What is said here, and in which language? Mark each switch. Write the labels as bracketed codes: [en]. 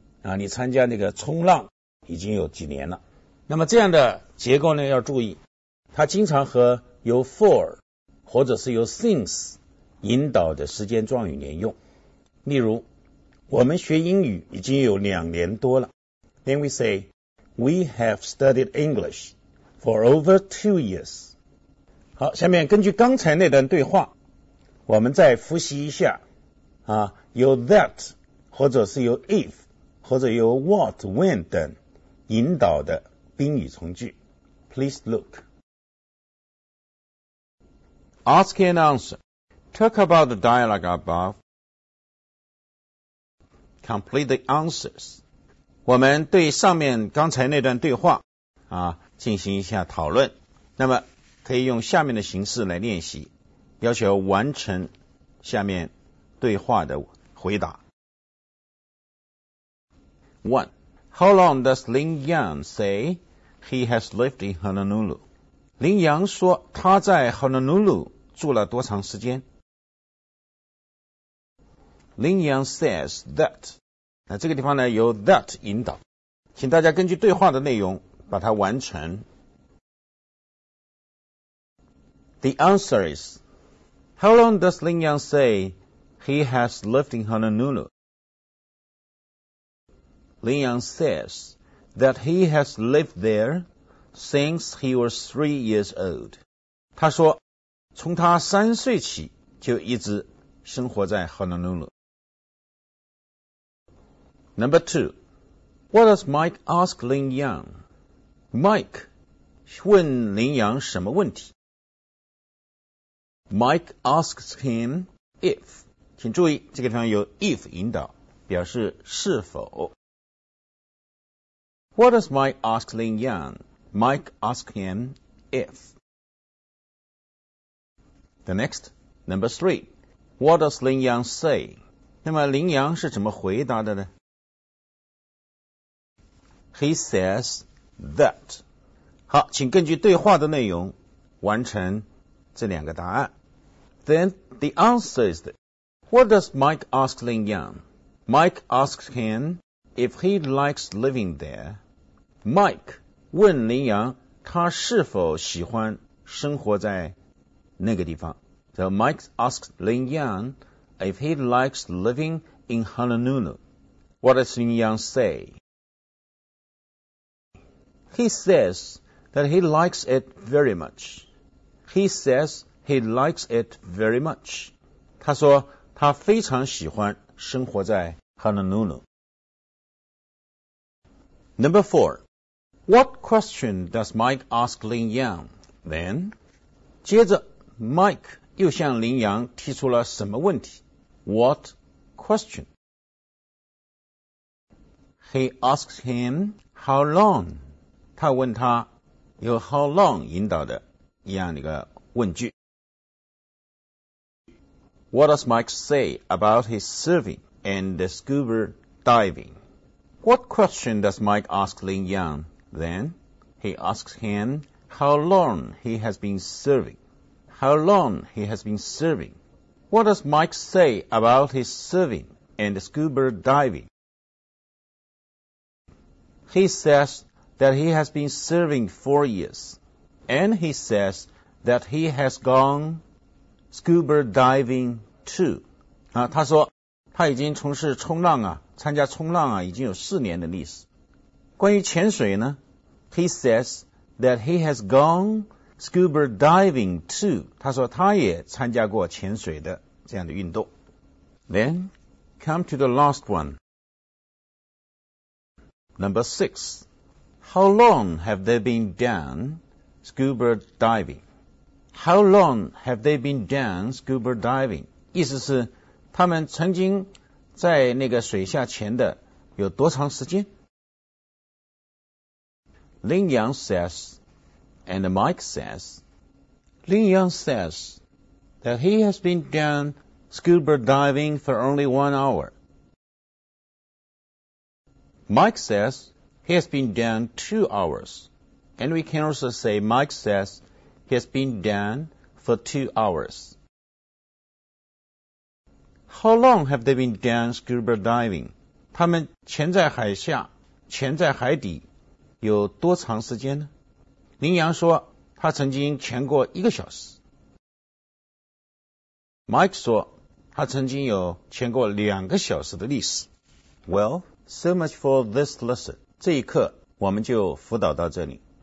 [zh] 啊，你参加那个冲浪已经有几年了。那么这样的结构呢，要注意，它经常和由 for 或者是由 since 引导的时间状语连用。例如，我们学英语已经有两年多了。 [en] Then we say, we have studied English for over 2 years. [zh] 好，下面根据刚才那段对话，我们再复习一下，啊，由 that 或者是由 if 或者由 what, when 等引导的宾语从句。 [en] Please look. Ask and answer. Talk about the dialogue above. Complete the answers. [zh] 我们对上面刚才那段对话啊进行一下讨论。那么可以用下面的形式来练习，要求完成下面对话的回答。 [en] One, how long does Lin Yang say? He has lived in Honolulu. [zh] 林阳说他在 Honolulu 住了多长时间？ [en] Lin Yang says that. [zh] 那这个地方呢由 that 引导，请大家根据对话的内容把它完成。 [en] The answer is, How long does Lin Yang say he has lived in Honolulu? Lin Yang says,that he has lived there since he was 3 years old. [zh] 他说从他三岁起就一直生活在 Honolulu. [en] Number two, what does Mike ask Lin Yang? [zh] Mike 问林阳什么问题？ [en] Mike asks him if, [zh] 请注意这个地方有 if 引导，表示是否。 [en] What does Mike ask Lin Yang? Mike asks him if. The next, number three. What does Lin Yang say? [zh] 那么林阳是怎么回答的呢？ [en] He says that. [zh] 好，请根据对话的内容完成这两个答案。 [en] Then the answer is that. What does Mike ask Lin Yang? Mike asks him if he likes living there. [zh] Mike 问林阳他是否喜欢生活在那个地方。 [en] So Mike asks Lin Yang if he likes living in Honolulu. What does Lin Yang say? He says that he likes it very much. He says he likes it very much. [zh] 他说他非常喜欢生活在 Honolulu. [en] Number four. What question does Mike ask Lin Yang, then? [zh] 接着 Mike 又向林阳提出了什么问题？ [en] What question? He asks him how long. [zh] 他问他由 how long 引导的一样一个问句。 [en] What does Mike say about his surfing and the scuba diving? What question does Mike ask Lin Yang? Then, he asks him how long he has been serving. How long he has been serving. What does Mike say about his serving and scuba diving? He says that he has been serving 4 years. And he says that he has gone scuba diving too. [zh] 啊，他说他已经从事冲浪啊，参加冲浪啊，已经有四年的历史。关于潜水呢？ [en] He says that he has gone scuba diving too. [zh] 他说他也参加过潜水的这样的运动。 [en] Then, come to the last one. Number 6. How long have they been down scuba diving? How long have they been down scuba diving? [zh] 意思是他们曾经在那个水下潜的有多长时间？ [en] Lin Yang says and Mike says, Lin Yang says that he has been down scuba diving for only 1 hour. Mike says he has been down 2 hours. And we can also say Mike says he has been down for 2 hours. How long have they been down scuba diving? [zh] 他们潜在海下，潜在海底有多长时间呢？林阳说他曾经潜过一个小时。 Mike 说他曾经有潜过两个小时的历史。 [en] Well, so much for this lesson. [zh] 这一课我们就辅导到这里。